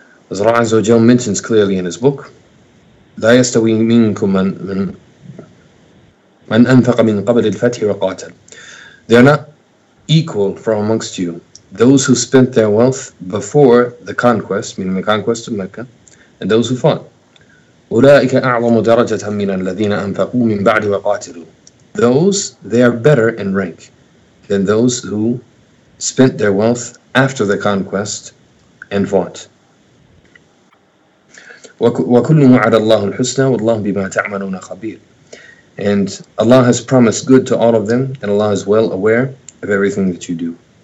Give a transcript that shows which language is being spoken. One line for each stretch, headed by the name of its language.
English: As Allah Azza wa Jalla mentions clearly in His book,
Arabic: لا يستوي منكم من أنفق من قبل الفتح وقاتل.
English: They are not equal from amongst you those who spent their wealth before the conquest, meaning the conquest of Mecca, and those who fought.
Arabic: أولئك أعظم درجة من الذين أنفقوا من بعد وقاتلوا.
English: Those, they are better in rank than those who spent their wealth after the conquest and fought.
Arabic: وَكُلُّهُ عَلَى اللَّهُ الْحُسْنَى وَاللَّهُ بِمَا تَعْمَلُونَ خَبِيرٌ.
English: And Allah has promised good to all of them, and Allah is well aware of everything that you do.